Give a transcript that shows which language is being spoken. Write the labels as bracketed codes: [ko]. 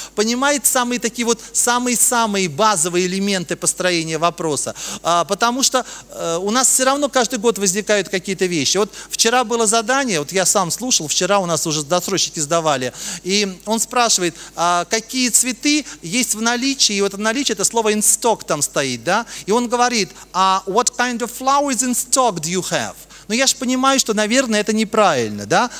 [ru] Понимает самые такие вот, самые-самые базовые элементы построения вопроса. Потому что у нас все равно каждый год возникают какие-то вещи. Вот вчера было задание, вот я сам слушал, вчера у нас уже досрочники сдавали. И он спрашивает, какие цветы есть в наличии, и вот в наличии это слово in stock там стоит, да? И он говорит, [en] what kind of flowers in stock do you have? [ru] Ну, я же понимаю, что, наверное, это неправильно, да?